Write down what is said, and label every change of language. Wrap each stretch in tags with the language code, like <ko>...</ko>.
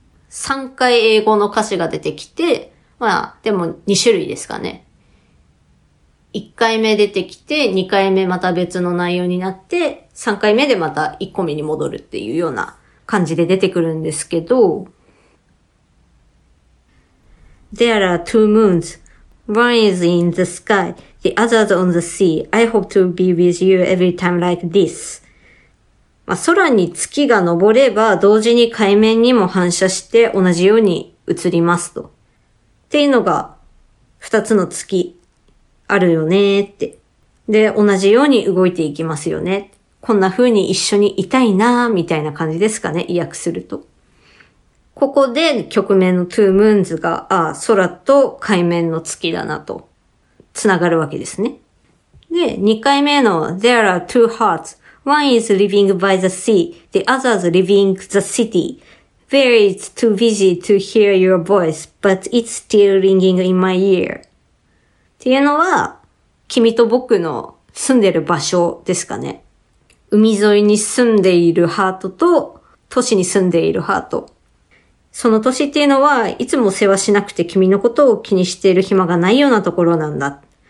<ja>3回英語の歌詞が出てきて、まあ、でも2種類ですかね。 1回目出てきて、2回目また別の内容になって、3回目でまた1個目に戻るっていうような感じで出てくるんですけど、</ja> <en>There are two moons. One is in the sky, the other's on the sea. I hope to be with you every time like this.</en> <ja>まあ、空に月が昇れば、同時に海面にも反射して同じように映りますと。っていうのが二つの月あるよねーって、で同じように動いていきますよね、こんな風に一緒にいたいなーみたいな感じですかね、意訳すると。ここで曲名の Two Moons が、ああ、空と海面の月だなと、つながるわけですね。で、2回目の</ja> <en>There are two hearts. One is living by the sea. The other is living the city. Where it's too busy to hear your voice, but it's still ringing in my ear.</en> <ja>っていうのは、君と僕の住んでる場所ですかね。海沿いに住んでいるハートと、都市に住んでいるハート。その都市っていうのは、いつも世話しなくて君のことを気にしている暇がないようなところなんだ。</ja>